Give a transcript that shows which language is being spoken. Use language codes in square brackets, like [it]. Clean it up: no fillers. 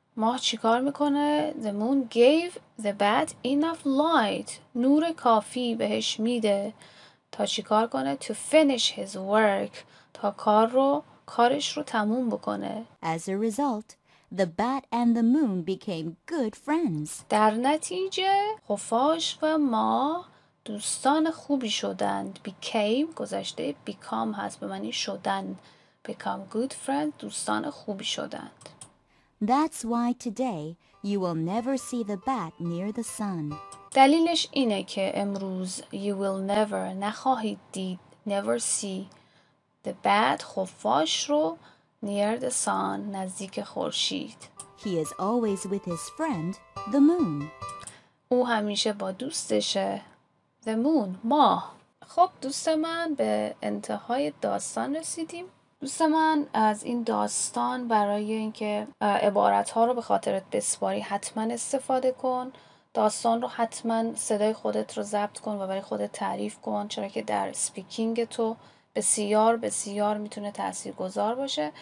[fa] ماه چیکار میکنه؟ [en] The moon gave the bat enough light, [fa] نور کافی بهش میده تا چیکار کنه؟ [en] To finish his work, [fa] تا کارش رو تموم بکنه. [en] As a result, the bat and the moon became good friends. [fa] در نتیجه خفاش و ماه دوستان خوبی شدند. Became گذشته become هست به معنی شدند. [en] Become good friends, [fa] دوستان خوبی شدند. [en] That's why today you will never see the bat near the sun. [fa] دلیلش اینه که امروز [en] you will never, [fa] نخواهید دید, [en] never see the bat, [fa] خفاش رو, [en] near the sun, [fa] نزدیک خورشید. [en] He is always with his friend, the moon. [fa] او همیشه با دوستشه, the moon, ماه. خب دوست من, به انتهای داستان رسیدیم. دوست من, از این داستان برای اینکه عبارتها رو به خاطرت بسپاری حتما استفاده کن. داستان رو حتما صدای خودت رو ضبط کن و برای خودت تعریف کن, چرا که در سپیکینگ تو بسیار بسیار میتونه تاثیرگذار باشه.